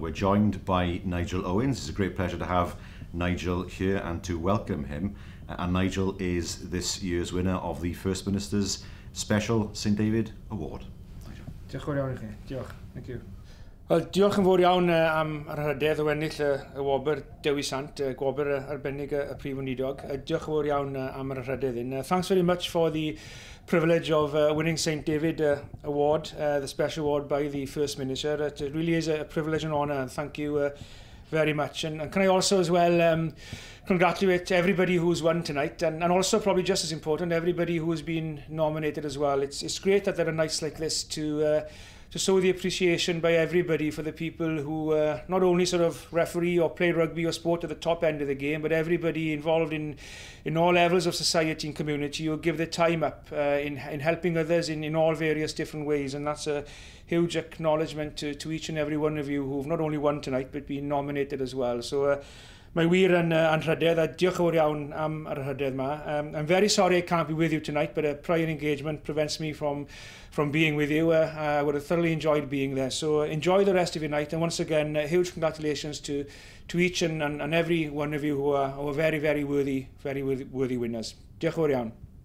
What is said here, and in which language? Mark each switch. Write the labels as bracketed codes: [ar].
[en] We're joined by Nigel Owens. It's a great pleasure to have Nigel here and to welcome him. And Nigel is this year's winner of the First Minister's Special St David Award. [cy] Diolch yn fawr I chi. Diolch. [en] Thank you. [cy] Well, diolch yn fawr iawn am yr hyder o ennill y Gwobr Dewi Sant, y Gwobr Arbennig y Prif Weinidog. Diolch yn fawr iawn am yr hyder hyn. [en] Thanks very much for the privilege of winning St David Award, the special award by the First Minister. It really is a privilege and honour. Thank you very much. And can I also as well congratulate everybody who's won tonight, and also probably just as important, everybody who's been nominated as well. It's great that there are nights like this to show the appreciation by everybody for the people who not only sort of referee or play rugby or sport at the top end of the game, but everybody involved in all levels of society and community who give their time up in helping others in all various different ways. And that's a huge acknowledgement to each and every one of you who've not only won tonight, but been nominated as well. [cy] So mae wir yn rhydedd, a diolch yn fawr iawn am yr rhydedd yma. [en] I'm very sorry I can't be with you tonight, but a prior engagement prevents me from being with you. I would have thoroughly enjoyed being there. So enjoy the rest of your night, and once again, huge congratulations to each and every one of you who are very, very worthy winners. [cy] Diolch yn fawr iawn.